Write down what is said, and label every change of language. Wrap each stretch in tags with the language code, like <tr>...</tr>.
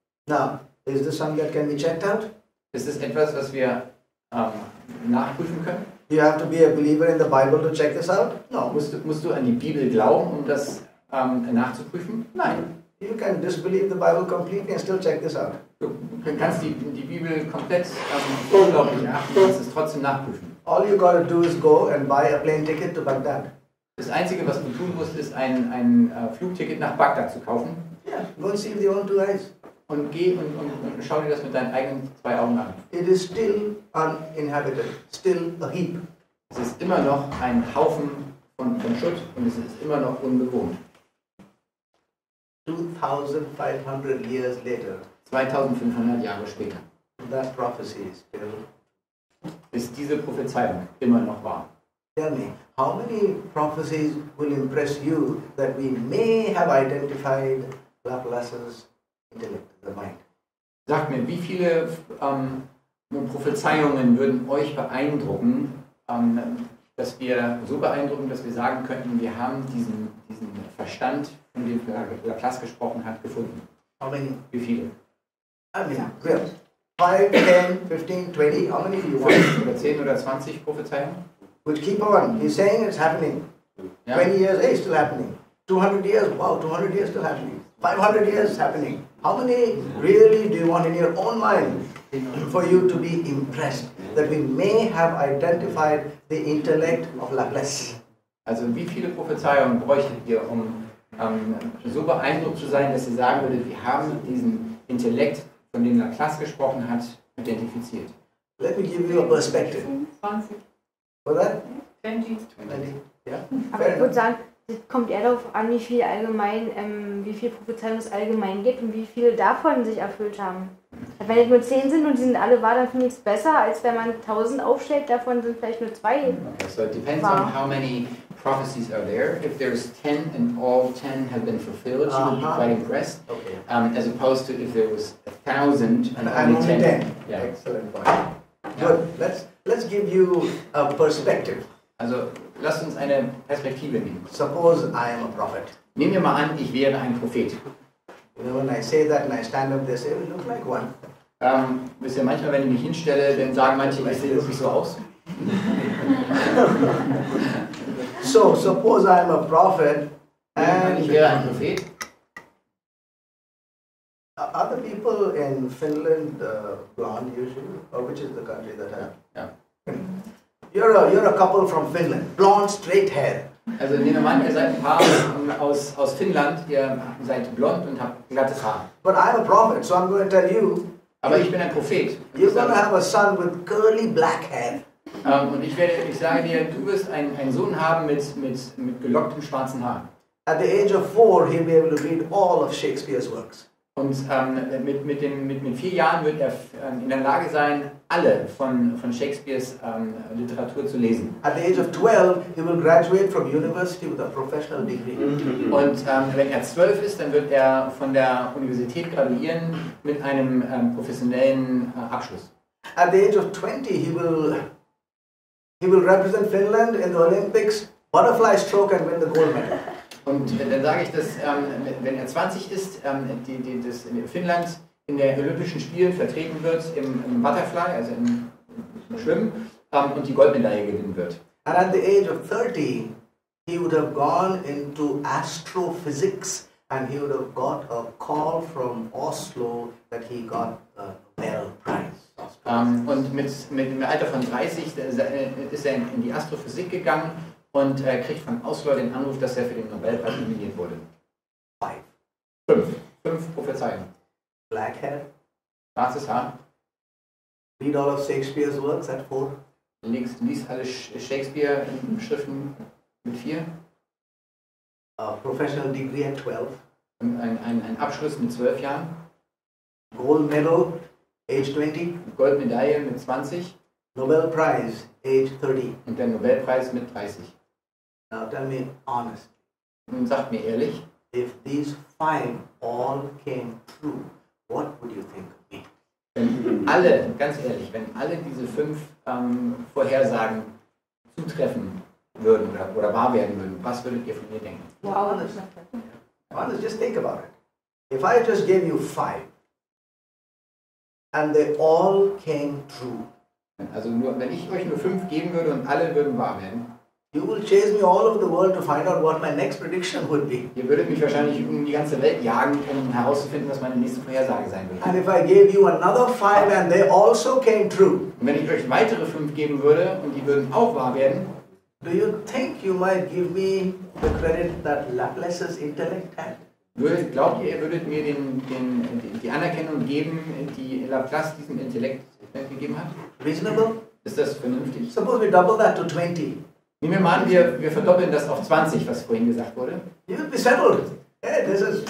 <en>Now, is this something that can be checked out?</en> <de>Ist es etwas, was wir nachprüfen können?</de> <en>You have to be a believer in the Bible to check this out? No.</en> <de>Musst du an die Bibel glauben, um das nachzuprüfen? Nein.</de> <en>You can disbelieve the Bible completely and still check this out.</en> <de>Du kannst die Bibel komplett unglaublich erachten und es trotzdem nachprüfen.</de> <en>All you gotta do is go and buy a plane ticket to Baghdad.</en> <de>Das Einzige, was du tun musst, ist ein Flugticket nach Bagdad zu kaufen.</de> <en>Yeah, go and see with your own two eyes.</en> <de>Und geh und schau dir das mit deinen eigenen zwei Augen an.</de> <en>It is still uninhabited, still a heap.</en> <de>Es ist immer noch ein Haufen von Schutt und es ist immer noch unbewohnt.</de> <en>2500 years later.</en> <de>2500 Jahre später.</de> <en>That prophecy is still.</en> <de>Ist diese Prophezeiung immer noch wahr?</de> <en>Tell me, how many prophecies will impress you that we may have identified Laplace's intellect, the mind?</en> <de>Sagt mir, wie viele Prophezeiungen würden euch beeindrucken, dass wir so beeindrucken, dass wir sagen könnten, wir haben diesen Verstand, von dem Laplace gesprochen hat, gefunden?</de> <en>How many?</en> <de>Wie viele?</de> <en>I mean, well, 5, 10, 15, 20, how many do you want?</en> <de>Oder 10 oder 20 Prophezeiungen?</de> <en>Would keep on. He's saying it's happening. Yeah. 20 years, hey, still happening. 200 years, wow, 200 years still happening. 500 years happening. How many really do you want in your own mind for you to be impressed that we may have identified the intellect of Laplace?</en> <de>Also, wie viele Prophezeiungen bräuchtet ihr, um so beeindruckt zu sein, dass ihr sagen würdet, wir haben diesen Intellekt, von dem Laplace gesprochen hat, identifiziert?</de> <en>Let me give you a perspective.</en> <de>20. Oder? 20. 20. Ja. Aber ich würde sagen, kommt eher darauf an, wie viel Prophezeiung es allgemein gibt und wie viele davon sich erfüllt haben. Wenn es nur 10 sind und die sind alle wahr, dann finde ich es besser, als wenn man 1000 aufstellt, davon sind vielleicht nur 2.</de> <en>Okay, so it depends on how many prophecies are there. If there's 10 and all 10 have been fulfilled, you would be quite impressed. Okay. As opposed to if there was 1000 and only 10. 10. Yeah. Excellent point. Good. Let's give you a perspective.</en> <de>Also, lasst uns eine Perspektive nehmen.</de> <en>Suppose I am a prophet.</en> <de>Nehmen wir mal an, ich wäre ein Prophet.</de> <en>When I say that and I stand up, they say, "You look like one."</en> <de>Wisst ihr, manchmal, wenn ich mich hinstelle, dann sagen manche, ich sehe wirklich so aus.</de> <en>So, suppose I am a prophet.</en> <de>And ich wäre ein Prophet.</de> <en>Are the people in Finland blonde usually, or which is the country that I am? Yeah. You're a couple from Finland, blonde, straight hair.</en> <de>Also nehmen wir mal an, ihr seid ein Paar aus Finnland, ihr seid blond und habt glattes Haar.</de> <en>But I'm a prophet, so I'm going to tell you.</en> <de>Aber ich bin ein Prophet.</de> <en>You're going to have a son with curly black hair.</en> <de>Und ich sage dir, du wirst einen Sohn haben mit gelocktem schwarzen Haar.</de> <en>At the age of 4, he'll be able to read all of Shakespeare's works.</en> <de>Und mit 4 Jahren wird er in der Lage sein, alle von Shakespeares Literatur zu lesen.</de> <en>At the age of 12, he will graduate from university with a professional degree.</en> <de>Und wenn er 12 ist, dann wird er von der Universität graduieren mit einem professionellen Abschluss.</de> <en>At the age of 20, he will represent Finland in the Olympics, butterfly stroke and win the gold medal.</en> <de>Und dann sage ich, dass wenn er 20 ist, das in Finnland in den Olympischen Spielen vertreten wird, im Butterfly, also im Schwimmen, und die Goldmedaille gewinnen wird.</de> <en>And at the age of 30, he would have gone into astrophysics and he would have got a call from Oslo that he got a Nobel Prize.</en> <de>Und mit dem Alter von 30 ist er in die Astrophysik gegangen und kriegt von Auslöser den Anruf, dass er für den Nobelpreis nominiert wurde. Fünf Prophezeiungen.</de> <en>Black hair.</en> <de>Schwarzes Haar.</de> <en>Read all of Shakespeare's works at four.</en> <de>Lies alle Shakespeare Schriften mit vier.</de> <en>A professional degree at 12.</en> <de>Ein Abschluss mit 12 Jahren.</de> <en>Gold medal, age 20.</en> <de>Goldmedaille mit 20.</de> <en>Nobel Prize, age 30.</en> <de>Und der Nobelpreis mit 30.</de> <en>Now tell me honest.</en> <de>Nun sagt mir ehrlich.</de> <en>If these five all came true, what would you think of me?</en> <de>Wenn alle, ganz ehrlich, wenn alle diese fünf Vorhersagen zutreffen würden oder wahr werden würden, was würdet ihr von mir denken?</de> <en>Honest, just think about it. If I just gave you five and they all came true.</en> <de>Also nur, wenn ich euch nur fünf geben würde und alle würden wahr werden.</de> <en>You will chase me all over the world to find out what my next prediction would be.</en> <de>Ihr würdet mich wahrscheinlich um die ganze Welt jagen können, um herauszufinden, was meine nächste Vorhersage sein wird.</de> <en>And if I gave you another five and they also came true.</en> <de>Und wenn ich euch weitere fünf geben würde und die würden auch wahr werden.</de> <en>Do you think you might give me the credit that Laplace's intellect had?</en> <de>Glaubt ihr, ihr würdet mir die Anerkennung geben, die Laplace diesem Intellekt gegeben hat?</de> <en>Reasonable?</en> <de>Ist das vernünftig?</de> <en>Suppose we double that to 20.</en> <de>Nehmen wir mal an, wir verdoppeln das auf 20, was vorhin gesagt wurde.</de> <en>You would be settled. Yeah, this is.</en>